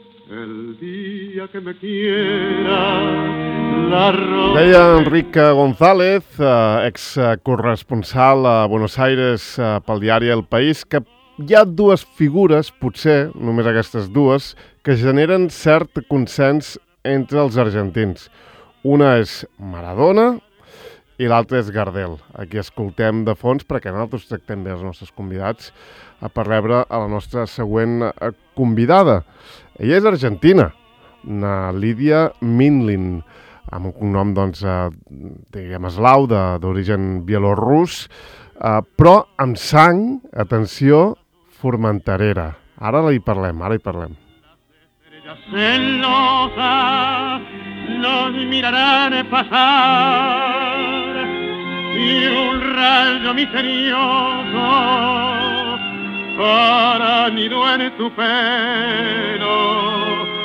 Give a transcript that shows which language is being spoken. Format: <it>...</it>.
<es>El día que me quiera la rosa.</es> <ca>Deia Enric González, excorresponsal a Buenos Aires pel diari El País, que hi ha dues figures, potser només aquestes dues, que generen cert consens entre els argentins. Una és Maradona i l'altra és Gardel, a qui escoltem de fons perquè nosaltres tractem bé els nostres convidats per rebre a la nostra següent convidada. Ella és argentina, na Lídia Minlin, amb un cognom, doncs, diguem, eslau, d'origen bielorrus, però amb sang, atenció, formenterera. Ara hi parlem, ara hi parlem.</ca> <es>Celosa, nos mirarán pasar y un rayo misterioso hará nido en tu pelo.</es>